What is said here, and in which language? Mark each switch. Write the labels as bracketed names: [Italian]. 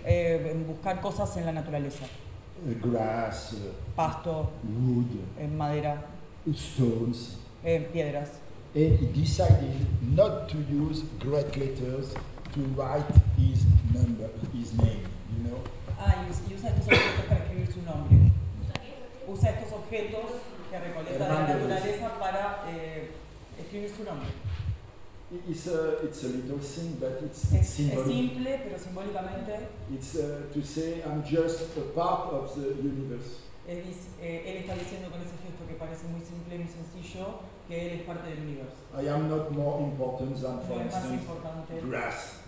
[Spanish] En buscar cosas en la naturaleza. [English] Grass, [Spanish] pasto, [English] wood, [Spanish] madera, [English] stones, [Spanish] piedras. [English] And he decided not to use great letters to write his number, his name, you know. [Spanish] Ah, y usa estos objetos para escribir su nombre. Usa estos objetos que recolecta de la naturaleza para escribir su nombre. [English] It's a little thing, but it's simple. [Spanish] Es simple, pero simbólicamente. [English] It's to say I'm just a part of the universe. [Spanish] Él está diciendo con ese gesto que parece muy simple, muy sencillo, que él es parte del universo. [English] I am not more important than, for instance, grass